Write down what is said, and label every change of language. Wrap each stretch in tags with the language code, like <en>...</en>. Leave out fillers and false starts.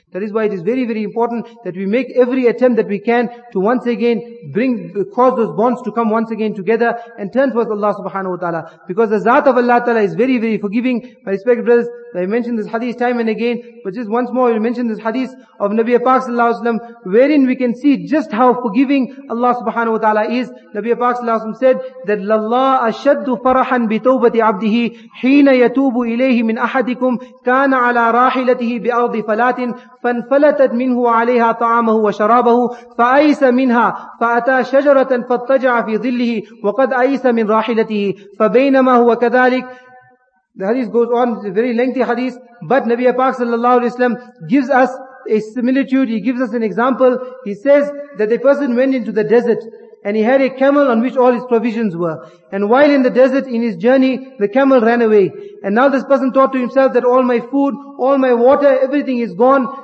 <en>That is why it is very, very important that we make every attempt that we can to once again cause those bonds to come once again together and turn towards Allah subhanahu wa ta'ala. Because the zaat of Allah Ta'ala is very, very forgiving. My respected brothers, I mentioned this hadith time and again, but just once more, we mention this hadith of Nabi Pak sallallahu alaihi wasallam, wherein we can see just how forgiving Allah subhanahu wa ta'ala is.</en> <ar>Nabiya Pak sallallahu alayhi wa sallam</ar> <en>said that</en> <ar>لَاللَّهَ أَشَدُّ فَرَحًا بِتَوْبَةِ عَبْدِهِ حِينَ يَتُوبُ إِلَيْهِ مِنْ أَحَدِكُمْ كَانَ عَلَىٰ رَاحِلَتِهِ بِأَرْضِ فَلَاتٍ فَانْفَلَتَتْ مِنْهُ عَلَيْهَا طَعَامَهُ وَشَرَابَهُ فَأَيْسَ مِنْهَا فَأَتَى شَجَرَةً فَاتَّجَعَ فِي ظِلِّهِ وَقَدْ أَيْسَ مِنْ رَاحِلَتِهِ فَبَيْنَمَا هُوَ كَذَلِكَ.</ar> <en>The hadith goes on, it's a very lengthy hadith, but Nabiya Pak sallallahu alayhi wa sallam gives us a similitude, he gives us an example. He says that a person went into the desert and he had a camel on which all his provisions were. And while in the desert in his journey, the camel ran away. And now this person thought to himself that all my food, all my water, everything is gone.</en>